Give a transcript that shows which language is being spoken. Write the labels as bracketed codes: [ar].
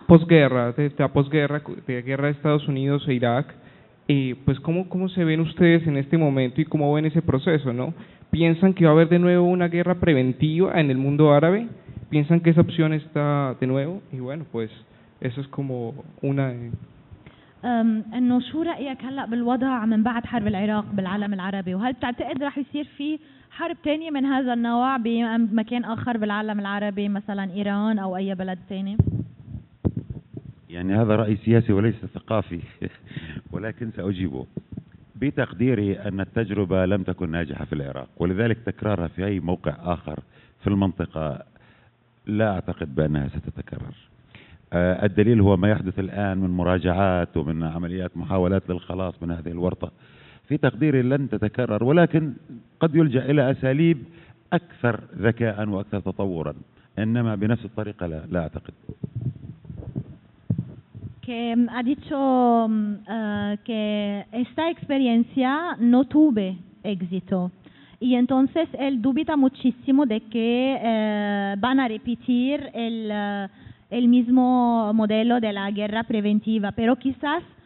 [es] posguerra, de la posguerra, de la guerra de Estados Unidos e Irak. Pues ¿cómo se ven ustedes en este momento y cómo ven ese proceso, ¿no? ¿Piensan que va a haber de nuevo una guerra preventiva en el mundo árabe? ¿Piensan que esa opción está de nuevo? Y bueno, pues eso es como una... [ar] انه شو رايك هلا بالوضع من بعد حرب العراق بالعالم العربي، وهل بتعتقد راح يصير في حرب تانية من هذا النوع بمكان اخر بالعالم العربي مثلا ايران او اي بلد تاني؟ يعني هذا راي سياسي وليس ثقافي، ولكن ساجيبه. بتقديري ان التجربه لم تكن ناجحه في العراق، ولذلك تكرارها في اي موقع اخر في المنطقه لا اعتقد بانها ستتكرر. الدليل هو ما يحدث الآن من مراجعات ومن عمليات محاولات للخلاص من هذه الورطة، في تقديري لن تتكرر، ولكن قد يلجأ إلى أساليب أكثر ذكاء وأكثر تطورا، إنما بنفس الطريقة لا أعتقد. [es] Que ha dicho que esta experiencia no tuve éxito y entonces él dubita muchísimo de que van a repetir el mismo modelo de la guerra preventiva, pero quizás